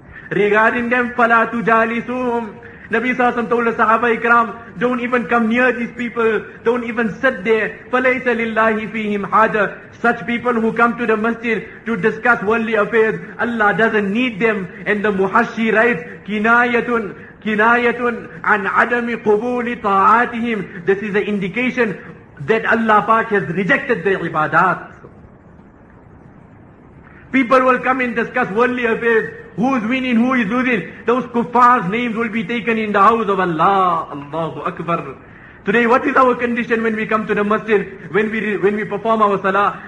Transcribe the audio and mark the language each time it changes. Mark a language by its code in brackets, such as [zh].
[en] Regarding them, [ar] فَلَا تُجَالِسُهُمْ. [en] Nabi sallallahu alayhi wa sallam told the Sahaba ikram, don't even come near these people. Don't even sit there. [ar] فَلَيْسَ لِلَّهِ فِيهِمْ حَاجَةٌ. [en] Such people who come to the masjid to discuss worldly affairs, Allah doesn't need them. And the Muhashshi writes, [ar] كِنَايَةٌ عَنْ عَدَمِ قُبُولِ طَاعَاتِهِمْ. [en] This is an indication that Allah Pak has rejected their ibadat. People will come and discuss worldly affairs. Who is winning, who is losing? Those kuffar's names will be taken in the house of Allah. Allahu Akbar. Today, what is our condition when we come to the masjid, when we perform our salah?